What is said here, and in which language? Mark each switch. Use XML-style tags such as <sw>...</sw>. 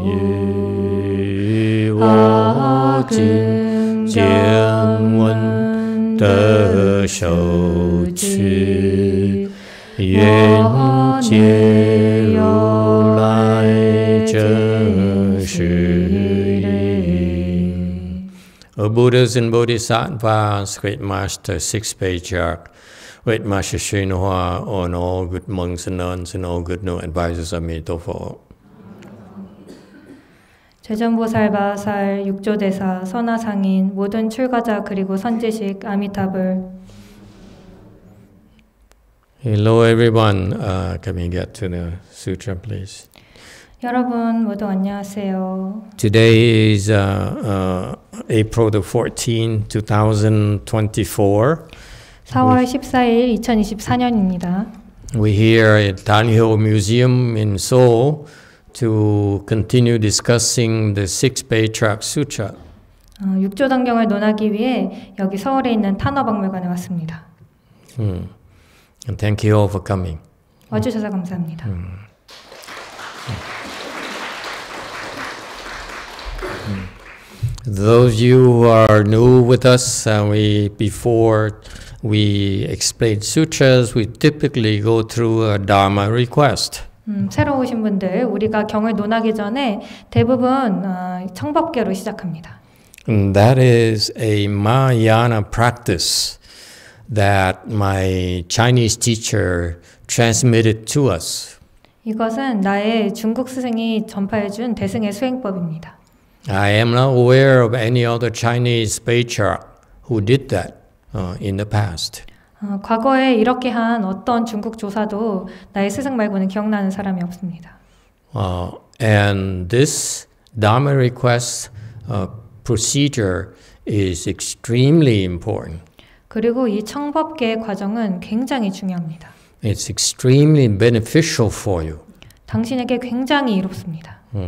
<en>Yu Wo Jin Jian Wen De Shou Qu Yin Jie Ru Lai Zhen Shi Yin. O Buddhas and Bodhisattvas, Great Master, Six Patriarch, Great Master Srinivasa, on all good monks and nuns and all good no advisors, Amitabha.</en> <ko>최전보살바 살 육조대사 선하상인 모든 출가자 그리고 선지식 아미타불.</ko> <en>Hello everyone. Can we get to the sutra, please?</en> <ko>여러분 모두 안녕하세요.</ko> <en>Today is April 14, 2024.</en> <ko>4월 14일 2024년입니다.</ko> <en>We here at Danhyo Museum in Seoul to continue discussing the Six Patriarch Sutra.</en> <ko>6조 단경을 논하기 위해 여기 서울에 있는 탄화박물관에 왔습니다.</ko> <en>And thank you all for coming.</en> <ko>와주셔서 감사합니다.</ko> <en>Those you who are new with us, we before we explain sutras, we typically go through a Dharma request.</en> <ko>새로 오신 분들, 우리가 경을 논하기 전에 대부분 청법계로 시작합니다.</ko> <en>And that is a Mahayana practice that my Chinese teacher transmitted to us.</en> <ko>이것은 나의 중국 스승이 전파해 준 대승의 수행법입니다.</ko> <en>I am not aware of any other Chinese patriarch who did that. In the past.</en> <ko>과거에 이렇게 한 어떤 중국 조사도 나의 스승 말고는 기억나는 사람이 없습니다.</ko> <en>And this Dharma request procedure is extremely important.</en> <ko>그리고 이 청법계 과정은 굉장히 중요합니다.</ko> <en>It's extremely beneficial for you.</en> <ko>당신에게 굉장히 이롭습니다.</ko>